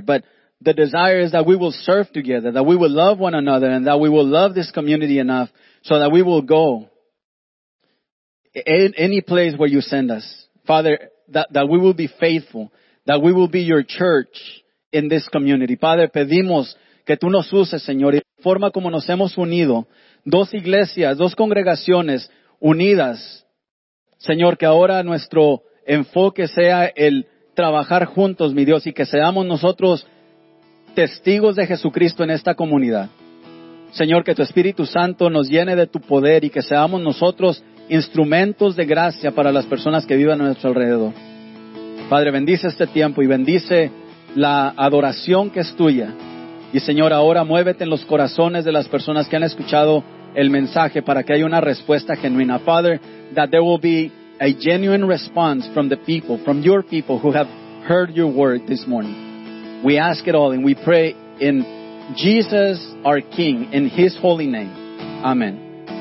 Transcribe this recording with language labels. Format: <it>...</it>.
<en>But the desire is that we will serve together, that we will love one another and that we will love this community enough so that we will go in any place where you send us. Father, that we will be faithful, that we will be your church in this community.</en> <es>Padre, pedimos que tú nos uses, Señor, y la forma como nos hemos unido, dos iglesias, dos congregaciones unidas. Señor, que ahora nuestro enfoque sea el trabajar juntos, mi Dios, y que seamos nosotros testigos de Jesucristo en esta comunidad. Señor, que tu Espíritu Santo nos llene de tu poder y que seamos nosotros instrumentos de gracia para las personas que vivan a nuestro alrededor. Padre, bendice este tiempo y bendice la adoración que es tuya. Y Señor, ahora muévete en los corazones de las personas que han escuchado el mensaje para que haya una respuesta genuina.</es> <en>Father, that there will be a genuine response from the people, from your people who have heard your word this morning. We ask it all and we pray in Jesus our King, in his holy name. Amen.</en>